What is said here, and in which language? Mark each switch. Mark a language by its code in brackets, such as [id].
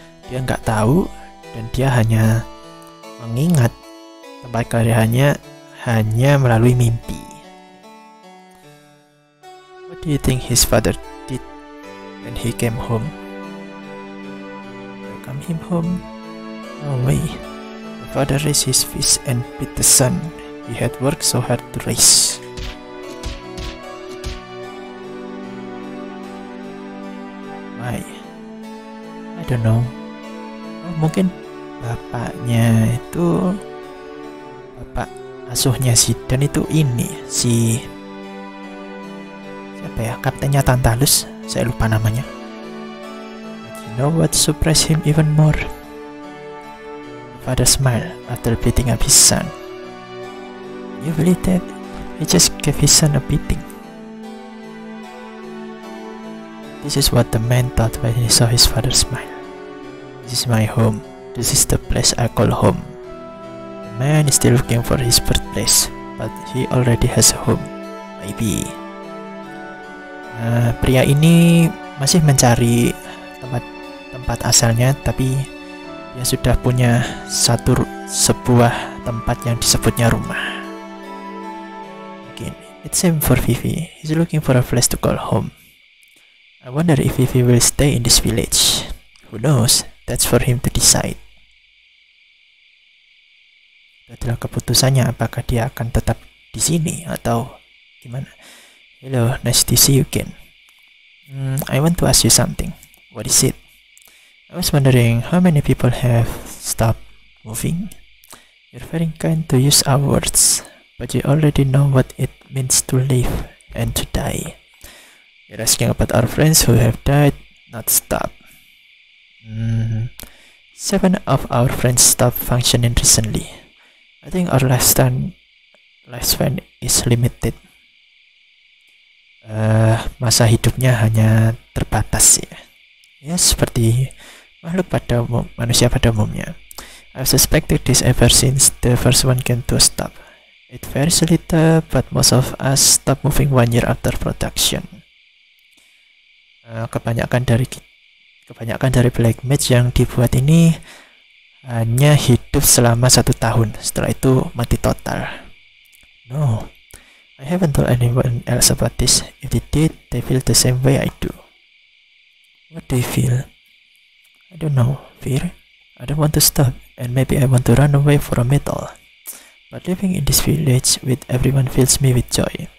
[id] Dia nggak tahu dan dia hanya mengingat tempat kelahirannya hanya melalui mimpi. [en] What do you think his father did when he came home? Welcome him home? No way. The father raised his fist and beat the son. He had worked so hard to raise. Why? I don't know. [id] Mungkin bapaknya itu, bapak asuhnya Zidane itu ini, si siapa ya, kaptennya Tantalus, saya lupa namanya. [en] But you know what surprised him even more? The father smiled after beating up his son. You believe that? He just gave his son a beating. This is what the man thought when he saw his father smile. This is my home. This is the place I call home. The man is still looking for his birthplace, but he already has a home. Maybe. [id] Pria ini masih mencari tempat asalnya, tapi dia sudah punya sebuah tempat yang disebutnya rumah. Mungkin. [en] It's same for Vivi. He's looking for a place to call home. I wonder if Vivi will stay in this village. Who knows? That's for him to decide. [id] Itu adalah keputusannya, apakah dia akan tetap di sini atau gimana. [en] Hello, nice to see you again. I want to ask you something. What is it? I was wondering how many people have stopped moving. You're very kind to use our words, but you already know what it means to live and to die. You're asking about our friends who have died, not stopped. 7 of our friends stopped functioning recently. I think our last time lifespan is limited. [id] Masa hidupnya hanya terbatas ya. Ya seperti makhluk pada manusia pada umumnya. [en] I've suspected this ever since the first one came to a stop. It varies a little, but most of us stop moving 1 year after production. [id] Kebanyakan dari Black Mage yang dibuat ini hanya hidup selama 1 tahun. Setelah itu mati total. [en] No, I haven't told anyone else about this. If they did, they feel the same way I do. What do you feel? I don't know. Fear? I don't want to stop. And maybe I want to run away from it all. But living in this village with everyone fills me with joy.